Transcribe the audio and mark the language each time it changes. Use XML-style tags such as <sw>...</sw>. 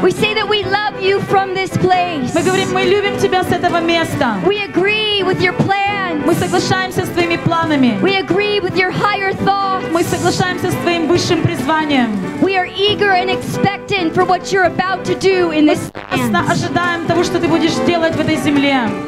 <en>We say that we love you from this place.</en> <ru>Мы говорим, мы любим тебя с этого места.</ru> <en>We agree with your plans.</en> <ru>Мы соглашаемся с твоими планами.</ru> <en>We agree with your higher thoughts.</en> <ru>Мы соглашаемся с твоим высшим призванием.</ru> <en>We are eager and expectant for what you're about to do in this land.</en> <ru>Мы ожидаем того, что ты будешь делать в этой земле.</ru>